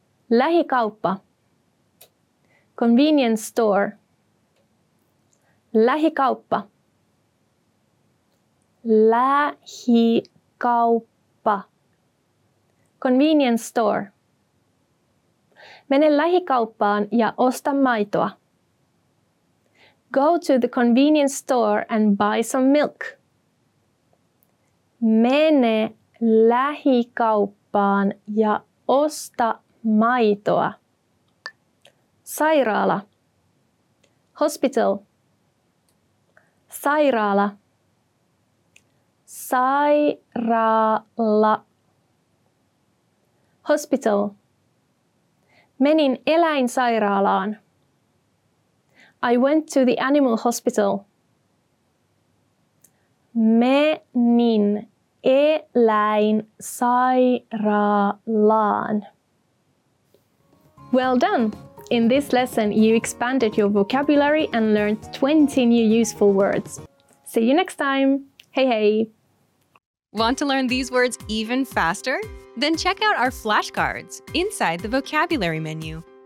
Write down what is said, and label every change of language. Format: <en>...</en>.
<fi>Lähikauppa. Convenience store. Lähikauppa. Lähikauppa. Convenience store. Mene lähikauppaan ja osta maitoa.</fi> <en>Go to the convenience store and buy some milk.</en> <fi>Mene lähikauppaan ja osta maitoa. Sairaala. Hospital. Sairaala. Sairaala. Hospital. Menin eläinsairaalaan.</fi> <en>I went to the animal hospital.</en> <fi>Menin eläin sairaalaan.</fi> <en>Well done! In this lesson, you expanded your vocabulary and learned 20 new useful words. See you next time! Hey, hey! Want to learn these words even faster? Then check out our flashcards inside the vocabulary menu.</en>